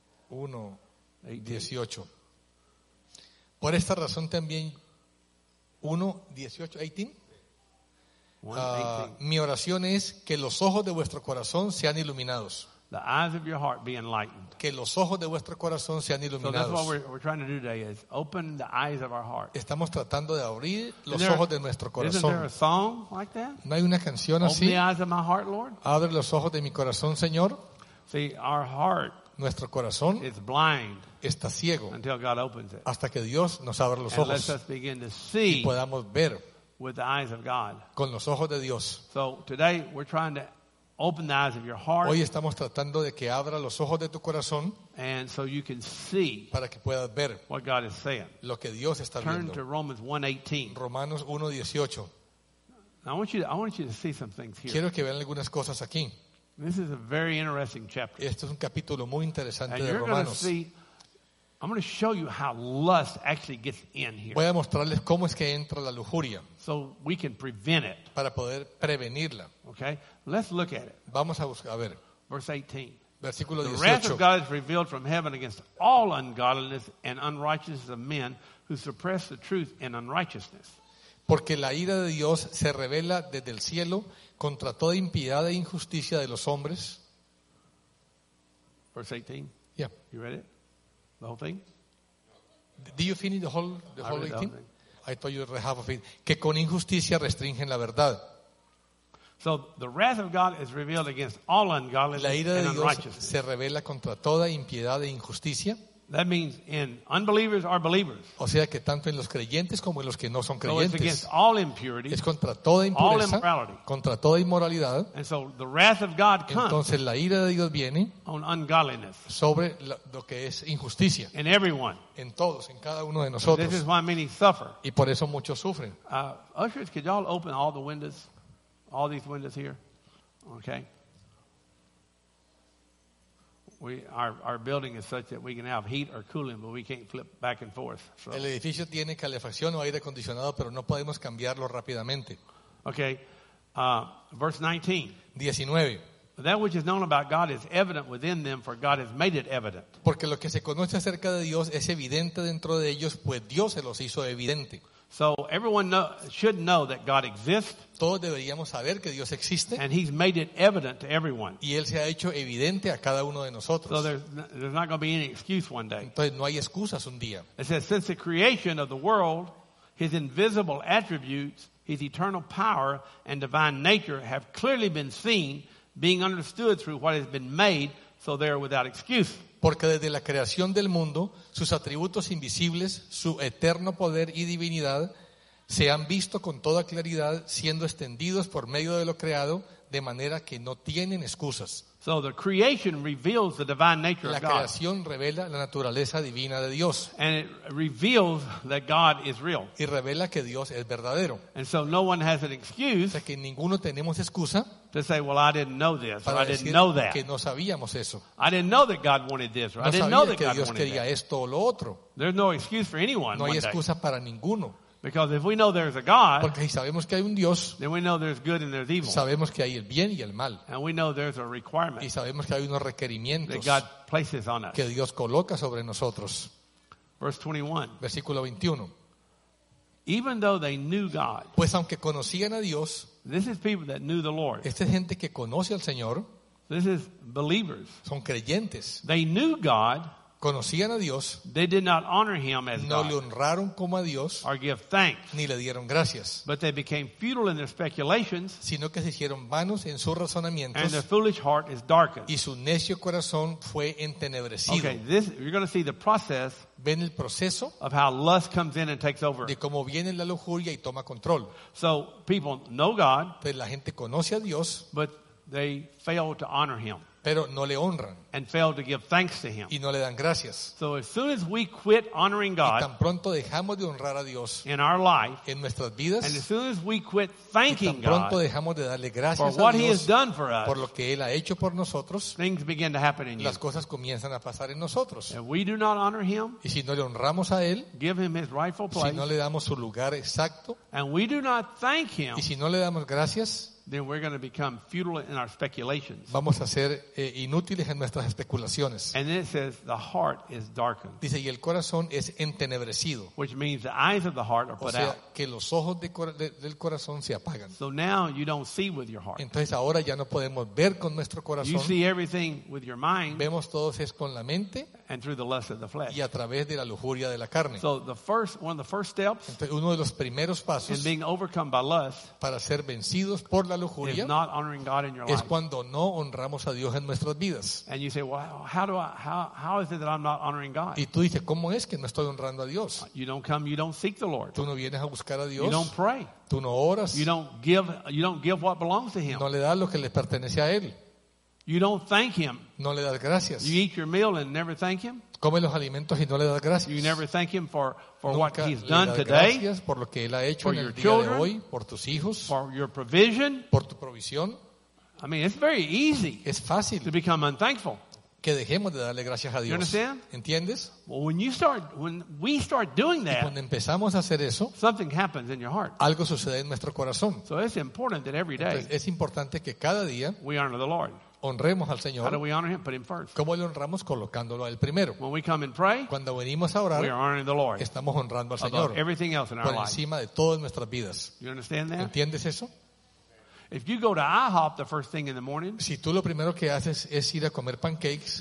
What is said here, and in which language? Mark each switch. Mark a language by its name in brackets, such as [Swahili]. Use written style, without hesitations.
[Spanish] 1, 18. Por esta razón también, 1, 18, 18. Mi oración es que los ojos de vuestro corazón sean iluminados. [English] The eyes of your heart be enlightened. [Spanish] Que los ojos de vuestro corazón sean iluminados. [English] So that's what we're trying to do today is open the eyes of our heart. [Spanish] Estamos tratando de abrir los ojos de nuestro corazón. [English] Isn't there a song like that? [Spanish] ¿No hay una canción así? [English] Open the eyes of my heart, Lord. [Spanish] Abre los ojos de mi corazón, Señor. [English] See, our heart, [Spanish] nuestro corazón, [English] is blind [Spanish] está ciego [English] until God opens it. [Spanish] Hasta que Dios nos abra los [English] and [Spanish] ojos [English] lets us begin to see [Spanish] y podamos ver [English] with the eyes of God. [Spanish] Con los ojos de Dios. [English] So today we're trying to open the eyes of your heart. [Spanish] Hoy estamos tratando de que abra los ojos de tu corazón. [English] And so you can see [Spanish] para que puedas ver [English] what God is saying. [Spanish] Lo que Dios está [English] turn [Spanish] viendo. [English] To Romans 1:18. [Spanish] Romanos 1:18. [English] I want you to see some things here. [Spanish] Quiero que vean algunas cosas aquí. [English] This is a very interesting chapter. [Spanish] Esto es un capítulo muy interesante [English] and [Spanish] de Romanos. [English] See, I'm going to show you how lust actually gets in here. [Spanish] Voy a mostrarles cómo es que entra la lujuria. [English] So we can prevent it. [Spanish] Para poder prevenirla. [English] Okay? Let's look at it. [Spanish] Vamos a buscar, a ver. [English] Verse 18. [Spanish] Versículo 18. [English] The wrath of God is revealed from heaven against all ungodliness and unrighteousness of men who suppress the truth in unrighteousness. [Spanish] Porque la ira de Dios se revela desde el cielo contra toda impiedad e injusticia de los hombres. [English] Verse 18. Yeah. You read it? The whole thing? Did you finish the whole 18? I told you half of it. [Spanish] Que con injusticia restringen la verdad. [English] So the wrath of God is revealed against all ungodliness and unrighteousness. [Spanish] La ira de Dios se revela contra toda impiedad e injusticia. [English] That means in unbelievers are believers. [Spanish] O sea que tanto en los creyentes como en los que no son creyentes. [English] So it's against all impurity. [Spanish] Es contra toda impureza. [English] All immorality. [Spanish] Contra toda inmoralidad. [English] And so the wrath of God comes. [Spanish] Entonces la ira de Dios viene. [English] On ungodliness. [Spanish] Sobre lo que es injusticia. [English] In everyone. [Spanish] En todos, en cada uno de nosotros. [English] And this is why many suffer. [Spanish] Y por eso muchos sufren. [English] Ushers, could y'all open all the windows, all these windows here, okay? Our building is such that we can have heat or cooling, but we can't flip back and forth. So. [Spanish] El edificio tiene calefacción o aire acondicionado, pero no podemos cambiarlo rápidamente. [English] Okay, verse 19. That which is known about God is evident within them, for God has made it evident. [Spanish] Porque lo que se conoce acerca de Dios es evidente dentro de ellos, pues Dios se los hizo evidente. [English] So everyone should know that God exists. [Spanish] Todos deberíamos saber que Dios existe. [English] And he's made it evident to everyone. [Spanish] Y él se ha hecho evidente a cada uno de nosotros. [English] So there's not going to be any excuse one day. [Spanish] Entonces no hay excusas un día. [English] It says, since the creation of the world, his invisible attributes, his eternal power and divine nature have clearly been seen, being understood through what has been made, so they are without excuse. [Spanish] Porque desde la creación del mundo, sus atributos invisibles, su eterno poder y divinidad, se han visto con toda claridad, siendo extendidos por medio de lo creado, de manera que no tienen excusas. [English] So the creation reveals the divine nature of [Spanish] God. La creación revela la naturaleza divina de Dios. [English] And it reveals that God is real. [Spanish] Y revela que Dios es verdadero. [English] And so no one has an excuse. [Spanish] O sea, que ninguno tenemos excusa. [English] To say, well, I didn't know this, or I didn't know that. [Spanish] Que no sabíamos eso. [English] I didn't know that God wanted this, or [Spanish] no [English] I didn't know that [Spanish] que [English] God [Spanish] Dios [English] wanted [Spanish] quería [English] that. [Spanish] Esto o lo otro. [English] There's no excuse for anyone. [Spanish] No hay excusa para ninguno. [English] Because if we know there's a God, [Spanish] porque si sabemos que hay un Dios, [English] then we know there's good and there's evil. [Spanish] Sabemos que hay el bien y el mal. [English] And we know there's a requirement. [Spanish] Y sabemos que hay unos requerimientos [English] that God places on us. [Spanish] Que Dios coloca sobre nosotros. [English] Verse 21. [Spanish] Versículo 21. [English] Even though they knew God, [Spanish] pues aunque conocían a Dios, [English] this is people that knew the Lord. [Spanish] Esta es gente que conoce al Señor. [English] This is believers. [Spanish] Son creyentes. [English] They knew God. [Spanish] Conocían a Dios. [English] They did not honor him as God. [Spanish] No le honraron como a Dios. [English] Or give thanks. [Spanish] Ni le dieron gracias. [English] But they became futile in their speculations. [Spanish] Sino que se hicieron vanos en sus razonamientos. [English] And their foolish heart is darkened. [Spanish] Y su necio corazón fue entenebrecido. [English] Okay, this, you're going to see the process. [Spanish] Ven el proceso. [English] Of how lust comes in and takes over. [Spanish] De cómo viene la lujuria y toma control. [English] So people know God. [Spanish] Pues la gente conoce a Dios. [English] But they fail to honor him. [Spanish] Pero no le honran. [English] And fail to give thanks to him. [Spanish] Y no le dan gracias. [English] So as soon as we quit honoring God. [Spanish] Y tan pronto dejamos de honrar a Dios. [English] In our life. [Spanish] En nuestras vidas. [English] And as soon as we quit thanking God. [Spanish] Y tan pronto dejamos de darle gracias a Dios. [English] For what he has done for us. [Spanish] Por lo que él ha hecho por nosotros. [English] Things begin to happen in you. [Spanish] Las cosas comienzan a pasar en nosotros. [English] And we do not honor him. [Spanish] Y si no le honramos a él. [English] Give him his rightful place. [Spanish] Si no le damos su lugar exacto. [English] And we do not thank him. [Spanish] Y si no le damos gracias. [English] Then we're going to become futile in our speculations. [Spanish] Vamos a ser inútiles en nuestras especulaciones. [English] And then it says the heart is darkened. [Spanish] Dice y el corazón es entenebrecido. [English] Which means the eyes of the heart are put out. [Spanish] O sea, que los ojos del corazón se apagan. [English] So now you don't see with your heart. [Spanish] Entonces ahora ya no podemos ver con nuestro corazón. [English] You see everything with your mind. [Spanish] Vemos todo es con la mente. [English] And through the lust of the flesh. [Spanish] Y a través de la lujuria de la carne. [English] So one of the first steps. [Spanish] Entonces uno de los primeros pasos. [English] In being overcome by lust. [Spanish] Para ser vencidos por la lujuria, [English] not honoring God in your life. [Spanish] Es cuando no honramos a Dios en nuestras vidas. [English] And you say, well, how is it that I'm not honoring God? [Spanish] Y tú dices, ¿cómo es que no estoy honrando a Dios? [English] You don't come, you don't seek the Lord. [Spanish] Tú no vienes a buscar a Dios. [English] You don't pray. [Spanish] Tú no oras. [English] You don't give what belongs to him. [Spanish] No le das lo que le pertenece a él. [English] You don't thank him. [Spanish] No le das gracias. [English] You eat your meal and never thank him. [Spanish] Come los alimentos y no le das gracias. [English] You never thank him for what he's [Spanish] le [English] done today. [Spanish] Gracias por lo que él ha hecho [English] for [Spanish] en [English] your [Spanish] el [English] children, [Spanish] día de hoy, por tus hijos, [English] for your provision. [Spanish] Por tu provisión. [English] I mean, it's very easy. [Spanish] Es fácil. [English] To become unthankful. [Spanish] Que dejemos de darle gracias a Dios. [English] You understand? [Spanish] ¿Entiendes? [English] Well, when we start doing that, [Spanish] y cuando empezamos a hacer eso, [English] something happens in your heart. [Spanish] Algo sucede en nuestro corazón. [English] So it's important that every day. [Spanish] Entonces, es importante que cada día [English] we honor the Lord. [Spanish] Honremos al Señor. [English] How do we honor him? Put him first. [Spanish] ¿Cómo le honramos? Colocándolo a él primero. [English] When we come and pray, [Spanish] cuando venimos a orar, [English] we are honoring the Lord. [Spanish] Estamos honrando al Señor. [English] Above everything else in our [Spanish] por encima [English] life. [Spanish] De todas nuestras vidas. [English] You understand that? [Spanish] ¿Entiendes eso? [English] If you go to IHOP the first thing in the morning, [Spanish] si tú lo primero que haces es ir a comer pancakes,